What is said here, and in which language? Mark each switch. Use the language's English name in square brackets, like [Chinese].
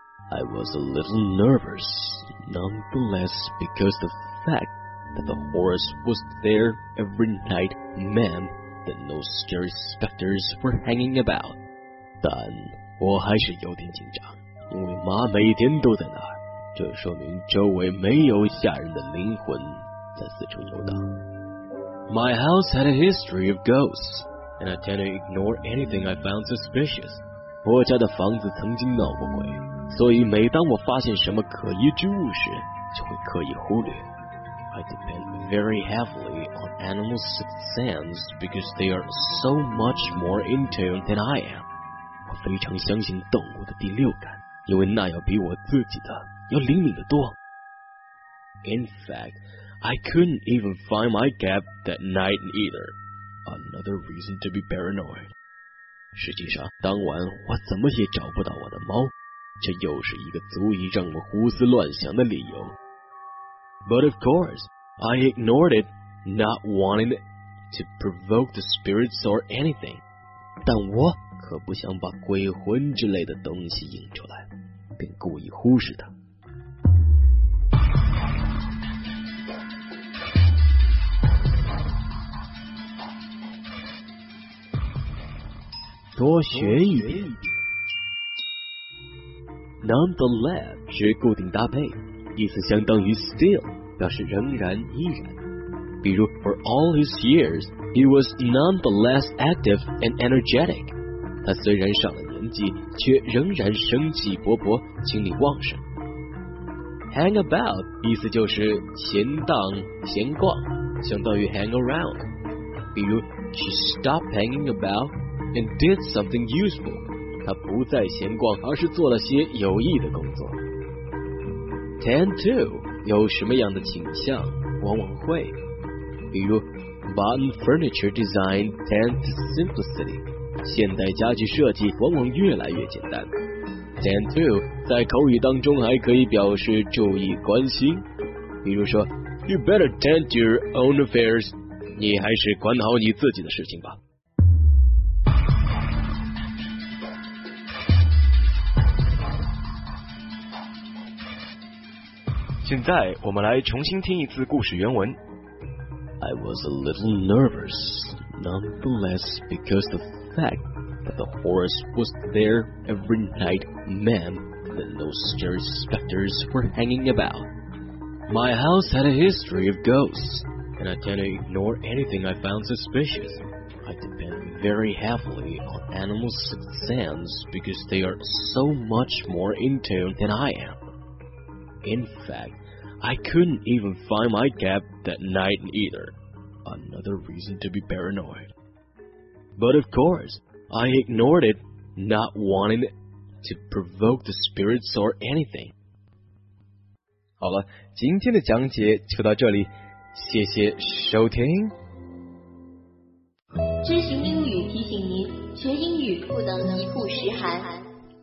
[English] I was a little nervous, nonetheless, because the fact that the horse was there every night meant that no scary specters were hanging about. [Chinese] 但我还是有点紧张，因为妈每天都在那儿，这说明周围没有吓人的灵魂在四处游荡。 [English] My house had a history of ghosts. And I tend to ignore anything I found suspicious. [Chinese] 我家的房子曾经闹过鬼，所以每当我发现什么可疑之物时，就会刻意忽略。 [English] I depend very heavily on animal sixth sense because they are so much more in tune than I am. [Chinese] 我非常相信动物的第六感，因为那要比我自己的要灵敏得多。 [English] In fact, I couldn't even find my cab that night either. Another reason to be paranoid. [Chinese] 实际上，当晚我怎么也找不到我的猫，这又是一个足以让我胡思乱想的理由。 [English] But of course, I ignored it, not wanting to provoke the spirits or anything. [Chinese] 但我可不想把鬼魂之类的东西引出来，并故意忽视它。多学一点。 Nonetheless 是固定搭配，意思相当于 still， 表示仍然、依然。比如 [English] ，For all his years, he was nonetheless active and energetic。 [Chinese] 他虽然上了年纪，却仍然生气勃勃、精力旺盛。 Hang about 意思就是闲荡、闲逛，相当于 hang around。比如 [English] ，She stopped hanging about。 And did something useful. [Chinese] 他不再闲逛，而是做了些有益的工作。 Tend to 有什么样的倾向，往往会。比如 [English] ，Modern furniture design tends to simplicity. [Chinese] 现代家具设计往往越来越简单。Tend to 在口语当中还可以表示注意、关心。比如说 [English] ，You better tend your own affairs. [Chinese] 你还是管好你自己的事情吧。现在我们来重新听一次故事原文。 [English] I was a little nervous, nonetheless, because the fact that the horse was there every night meant that no scary specters were hanging about. My house had a history of ghosts, and I tend to ignore anything I found suspicious. I depend very heavily on animals' sixth sense because they are so much more in tune than I am. In fact, I couldn't even find my cat that night either. Another reason to be paranoid. But of course, I ignored it, not wanting to provoke the spirits or anything. [Chinese] 好了，今天的讲解就到这里，谢谢收听。知行英语提醒您，学英语不能一步十寒。